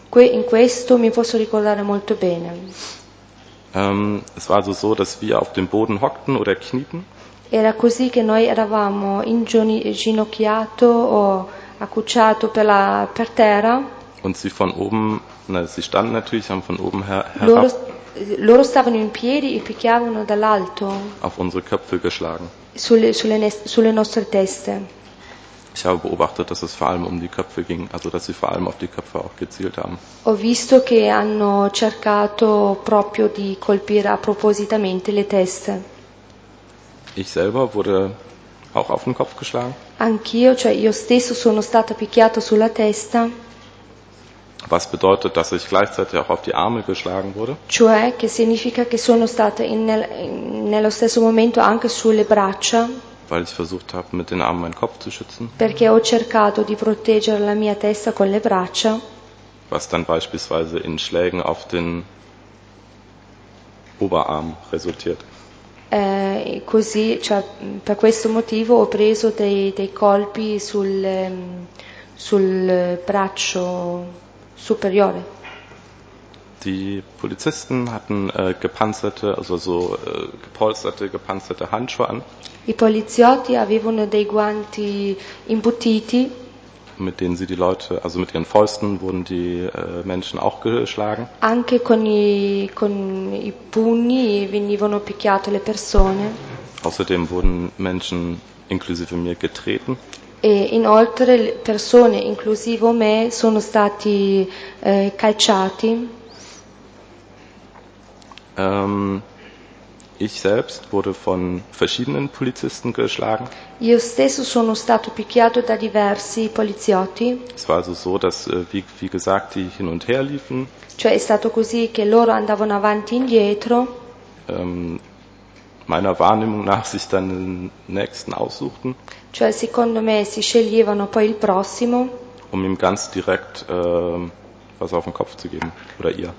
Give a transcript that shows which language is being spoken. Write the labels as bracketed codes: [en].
[it] In questo mi posso ricordare molto bene. [de] Es war also so, dass wir auf dem Boden hockten oder knieten. [it] Era così che noi eravamo inginocchiato o accucciato per terra. [de] Und sie von oben, sie standen natürlich, haben von oben herab. [it] Loro stavano in piedi e picchiavano dall'alto. [de] Auf unsere Köpfe geschlagen. [it] Sulle nostre teste. [de] Ich habe beobachtet, dass es vor allem um die Köpfe ging, also dass sie vor allem auf die Köpfe auch gezielt haben. [it] Ho visto che hanno cercato proprio di colpire appositamente le teste. [de] Ich selber wurde auch auf den Kopf geschlagen. [it] Anch'io, cioè io stesso sono stato picchiato sulla testa. [de] Was bedeutet, dass ich gleichzeitig auch auf die Arme geschlagen wurde? [it] Cioè, che significa che sono stata nello stesso momento anche sulle braccia? [de] Weil ich versucht habe, mit den Armen meinen Kopf zu schützen. [it] Perché ho cercato di proteggere la mia testa con le braccia. [de] Was dann beispielsweise in Schlägen auf den Oberarm resultiert. [it] Così, cioè, per questo motivo ho preso dei colpi sul braccio. Superiore. [de] Die Polizisten hatten gepanzerte, also so gepolsterte, gepanzerte Handschuhe an. [it] I poliziotti avevano dei guanti imbottiti. [de] Mit denen sie die Leute, also mit ihren Fäusten wurden die Menschen auch geschlagen. [it] Anche con i pugni venivano picchiate le persone. [de] Außerdem wurden Menschen inklusive mir getreten. [it] E inoltre persone, inclusive me, sono stati calciati. [de] Ich selbst wurde von verschiedenen Polizisten geschlagen. [it] Io stesso sono stato picchiato da diversi poliziotti. [de] Es war also so, dass wie gesagt die hin und her liefen. [it] Cioè è stato così che loro andavano avanti e indietro. [de] Meiner Wahrnehmung nach sich dann den nächsten aussuchten. [it] Cioè, secondo me, si sceglievano poi il prossimo. [de] Um ihm ganz direkt was auf den Kopf zu geben, oder ihr.